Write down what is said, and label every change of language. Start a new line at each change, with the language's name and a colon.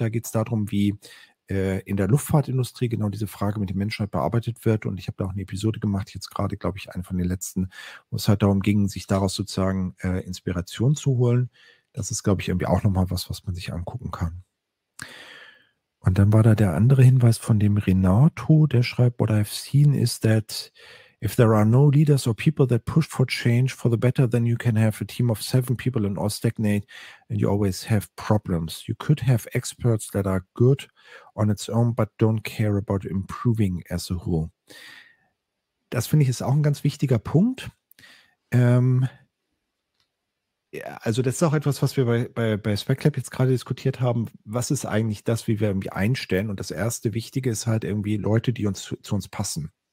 German: Da geht es darum, wie in der Luftfahrtindustrie genau diese Frage mit der Menschheit bearbeitet wird. Und ich habe da auch eine Episode gemacht, jetzt gerade, glaube ich, eine von den letzten, wo es halt darum ging, sich daraus sozusagen Inspiration zu holen. Das ist, glaube ich, irgendwie auch nochmal was, was man sich angucken kann. Und dann war da der andere Hinweis von dem Renato, der schreibt,
English: what I've seen is that if there are no leaders or people that push for change for the better, then you can have a team of 7 people and all stagnate and you always have problems. You could have experts that are good on its own, but don't care about improving as a whole.
German: Das finde ich ist auch ein ganz wichtiger Punkt. Also das ist auch etwas, was wir bei SpecLab jetzt gerade diskutiert haben. Was ist eigentlich das, wie wir irgendwie einstellen? Und das erste Wichtige ist halt irgendwie Leute, die uns zu uns passen.